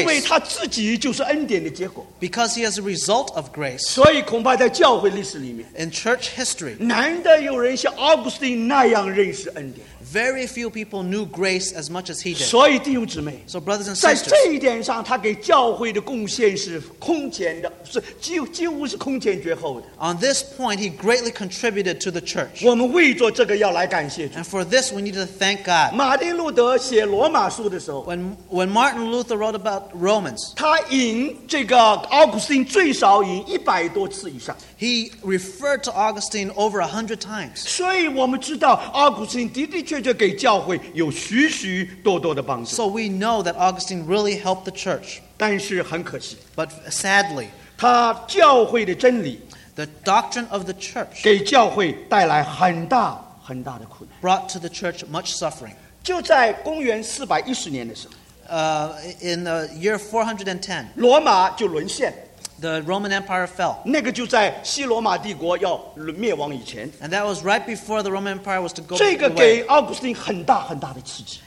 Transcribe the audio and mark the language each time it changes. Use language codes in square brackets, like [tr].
[zh] 因为他自己就是恩典的结果。 [en] Because he is a result of grace. [zh] 所以恐怕在教会历史里面。 [en] In church history. [zh] 难得有人像 Augustine 那样认识恩典。 [en] Very few people knew grace as much as he did. [zh] 所以弟兄姊妹 [en] so brothers and sisters, [zh] 在这一点上他给教会的贡献是空前的是 几乎是空前绝后的。 [en] On this point, he greatly contributed to the church. [zh] 我们为做这个要来感谢主。 [en] And for this, we need to thank God. [zh] 马丁路德写罗马书的时候 [en] when Martin Luther wrote about Romans, [zh] 他引这个奥古斯丁最少引一百多次以上。 [en] He referred to Augustine over 100 times. [zh] 所以我们知道奥古斯丁的的确确给教会有许许多多的帮助。 [en] So we know that Augustine really helped the church. [zh] 但是很可惜。 [en] But sadly, [zh] 他教会的真理 [en] the doctrine of the church [zh] 给教会带来很大很大的苦难 [en] brought to the church much suffering. [zh] 就在公元410年的时候 [en] in the year 410, [zh] 罗马就沦陷。 [en] the Roman Empire fell. [zh] 那个就在西罗马帝国要灭亡以前。 [en] And that was right before the Roman Empire was to go away. [zh] 这个给奥古斯丁很大很大的刺激。